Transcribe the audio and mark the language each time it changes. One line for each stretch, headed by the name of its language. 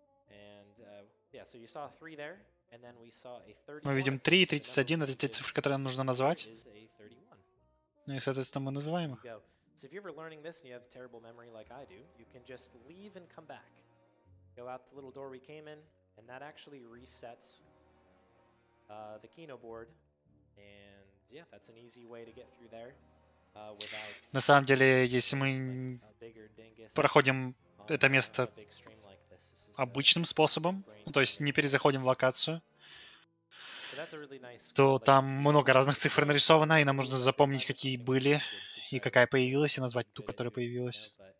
English: And so you saw a 3 there, and then we saw a 31.
Russian: Мы видим 3 и 31, это те цифры, которые нам нужно назвать. Ну и соответственно мы называем их.
English: So if you're ever learning this and you have terrible memory like I do, you can just leave and come back. Go out the little door we came in, and that actually resets the Kino board, and yeah, that's an easy way to get through there without.
Russian: На самом деле, если мы проходим это место обычным способом, ну, то есть не перезаходим в локацию, то там много разных цифр нарисовано, и нам нужно запомнить, какие были и какая появилась, и назвать ту, которая появилась.